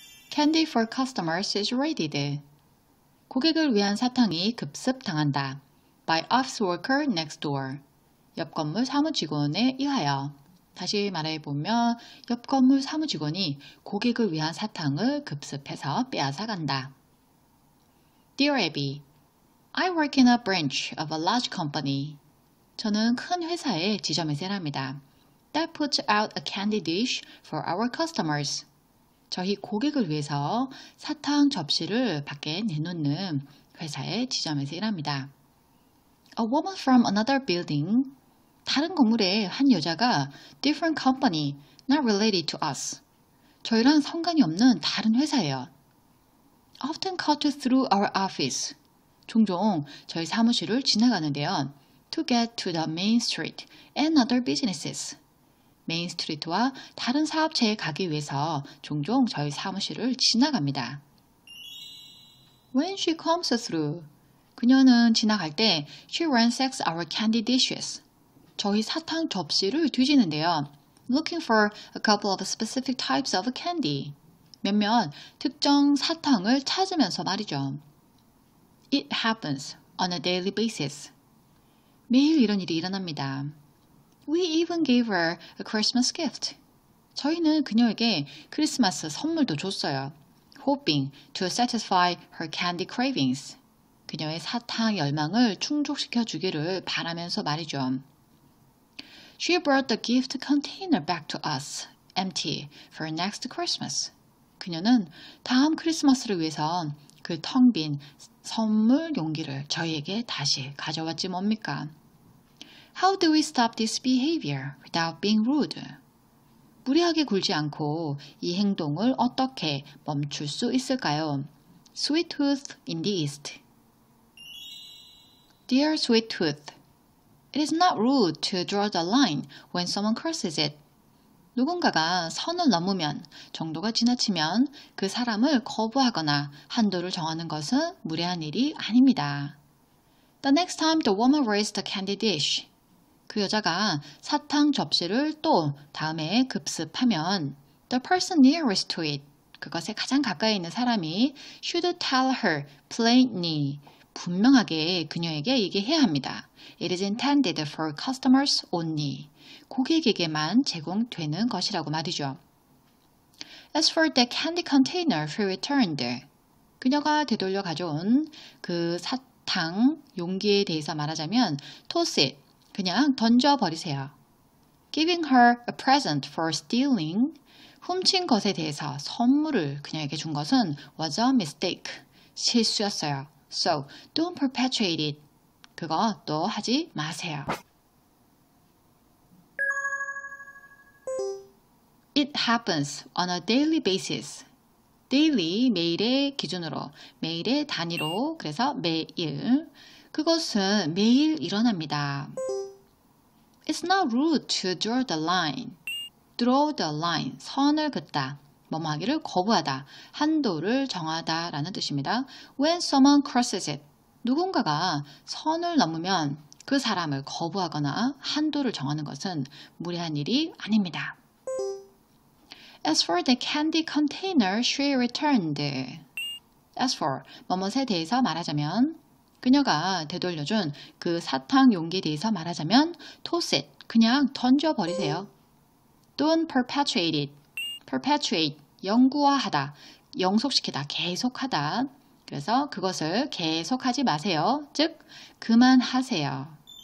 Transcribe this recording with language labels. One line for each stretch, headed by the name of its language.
English: Candy for customers is raided.
Korean: 고객을 위한 사탕이 급습당한다.
English: By office worker next door.
Korean: 옆 건물 사무직원에 의하여. 다시 말해보면, 옆 건물 사무직원이 고객을 위한 사탕을 급습해서 빼앗아 간다.
English: Dear Abby, I work in a branch of a large company.
Korean: 저는 큰 회사의 지점에서 일합니다.
English: That puts out a candy dish for our customers.
Korean: 저희 고객을 위해서 사탕 접시를 밖에 내놓는 회사의 지점에서 일합니다.
English: A woman from another building.
Korean: 다른 건물의 한 여자가
English: different company, not related to us.
Korean: 저희랑 상관이 없는 다른 회사예요.
English: Often cut through our office.
Korean: 종종 저희 사무실을 지나가는데요.
English: To get to the main street and other businesses.
Korean: 메인스트리트와 다른 사업체에 가기 위해서 종종 저희 사무실을 지나갑니다.
English: When she comes through,
Korean: 그녀는 지나갈 때
English: she ransacks our candy dishes.
Korean: 저희 사탕 접시를 뒤지는데요.
English: Looking for a couple of specific types of candy.
Korean: 몇몇 특정 사탕을 찾으면서 말이죠.
English: It happens on a daily basis.
Korean: 매일 이런 일이 일어납니다.
English: We even gave her a Christmas gift.
Korean: 저희는 그녀에게 크리스마스 선물도 줬어요.
English: Hoping to satisfy her candy cravings.
Korean: 그녀의 사탕 열망을 충족시켜 주기를 바라면서 말이죠.
English: She brought the gift container back to us, empty, for next Christmas.
Korean: 그녀는 다음 크리스마스를 위해서 그텅빈 선물 용기를 저희에게 다시 가져왔지 뭡니까?
English: How do we stop this behavior without being rude?
Korean: 무리하게 굴지 않고 이 행동을 어떻게 멈출 수 있을까요?
English: Sweet Tooth in the East. Dear Sweet Tooth, It is not rude to draw the line when someone crosses it.
Korean: 누군가가 선을 넘으면, 정도가 지나치면 그 사람을 거부하거나 한도를 정하는 것은 무리한 일이 아닙니다.
English: The next time the woman raised the candy dish.
Korean: 그 여자가 사탕 접시를 또 다음에 급습하면
English: the person nearest to it,
Korean: 그것에 가장 가까이 있는 사람이
English: should tell her plainly,
Korean: 분명하게 그녀에게 얘기해야 합니다.
English: It is intended for customers only,
Korean: 고객에게만 제공되는 것이라고 말이죠.
English: As for the candy container she returned,
Korean: 그녀가 되돌려 가져온 그 사탕 용기에 대해서 말하자면
English: toss it.
Korean: 그냥 던져버리세요.
English: Giving her a present for stealing,
Korean: 훔친 것에 대해서 선물을 그녀에게 준 것은
English: was a mistake,
Korean: 실수였어요.
English: So, don't perpetuate it.
Korean: 그것도 하지 마세요.
English: It happens on a daily basis.
Korean: Daily, 매일의 기준으로, 매일의 단위로, 그래서 매일. 그것은 매일 일어납니다.
English: It's not rude to draw the line. Draw the line.
Korean: 선을 긋다. 뭐뭐하기를 거부하다. 한도를 정하다. 라는 뜻입니다.
English: When someone crosses it.
Korean: 누군가가 선을 넘으면 그 사람을 거부하거나 한도를 정하는 것은 무리한 일이 아닙니다.
English: As for the candy container she returned. As for
Korean: 뭐뭇에 대해서 말하자면 그녀가 되돌려준 그 사탕 용기에 대해서 말하자면
English: toss it.
Korean: 그냥 던져버리세요.
English: Don't perpetuate it. Perpetuate.
Korean: 영구화하다. 영속시키다. 계속하다. 그래서 그것을 계속하지 마세요. 즉, 그만하세요.